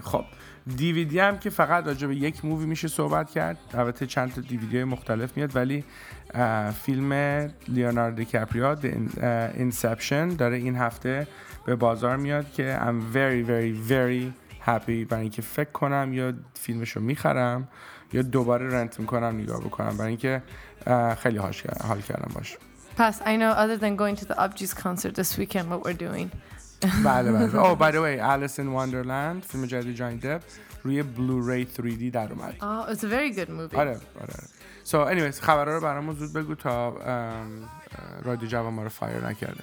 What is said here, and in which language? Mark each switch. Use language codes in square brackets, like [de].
[fa] خب دیویدی هم که فقط راجع به یک مووی میشه صحبت کرد، البته چند تا دیویدی مختلف میاد، ولی فیلم لیوناردو دیکاپریو اینسپشن داره این هفته به بازار میاد که [en] I'm very very very happy، [fa] برای اینکه فکر کنم یا فیلمشو میخرم یا دوباره رنت میکنم نگاه بکنم، برای اینکه خیلی حال کردم باش. پس [en] I know other than going to the Upjis concert this weekend what we're doing. [fa] بله بله. [en] Oh by the way، [fa] Alice in Wonderland فیلم جدید جانی دپ روی بلوری 3D در اومد. [en] Oh it's a very good movie. [fa] آره آره. [en] So anyways [fa] خبرها رو برامون زود بگو تا رادیو جوان ما رو فایر نکرده.